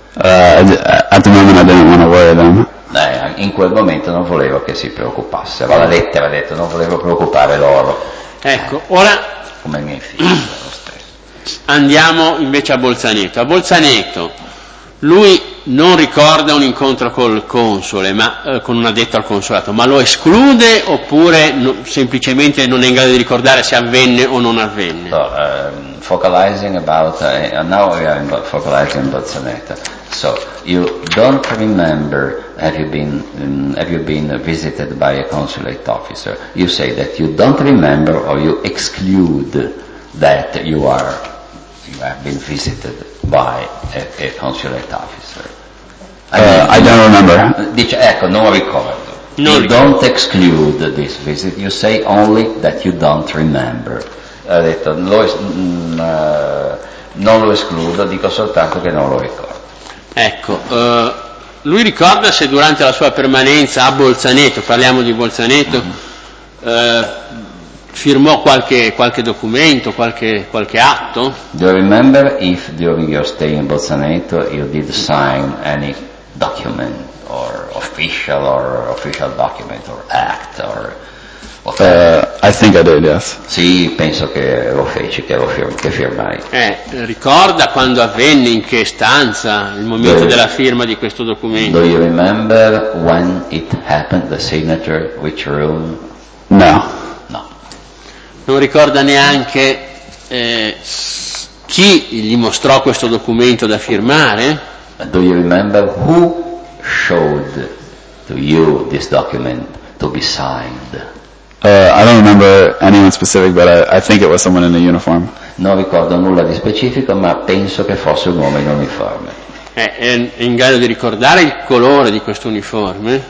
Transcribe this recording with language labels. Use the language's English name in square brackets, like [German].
[English] At the moment I didn't want to worry them. [Italian] In quel momento non volevo che si preoccupassero. La lettera ha detto non volevo preoccupare loro. Ecco, ora come i miei figli. Andiamo invece a Bolzaneto. A Bolzaneto lui non ricorda un incontro col console, ma con un addetto al consolato, ma lo esclude oppure semplicemente non è in grado di ricordare se avvenne o non avvenne. [English] So, focalizing Bolzaneto. So you don't remember have you been visited by a consulate officer? You say that you don't remember or you exclude that you have been visited by a consulate officer. I don't remember. [Italian] Dice, ecco, non ricordo. [English] You don't exclude this visit. You say only that you don't remember. [Italian] Ha detto, non lo escludo, dico soltanto che non lo ricordo. Ecco, lui ricorda se durante la sua permanenza a Bolzaneto, parliamo di Bolzaneto, firmò qualche documento, qualche atto? [English] Do you remember if during your stay in Bolzaneto you did sign any document or official document or act or I think I did, yes. [Italian] Sì, penso che lo feci, che firmai. Ricorda quando avvenne, in che stanza, il momento della firma di questo documento? [English] Do you remember when it happened, the signature, which room? No. [Italian] Non ricorda neanche chi gli mostrò questo documento da firmare. [English] Do you remember who showed to you this document to be signed? I don't remember anyone specific, but I think it was someone in a uniform. [Italian] Non ricordo nulla di specifico, ma penso che fosse un uomo in uniforme. È in grado di ricordare il colore di questo uniforme?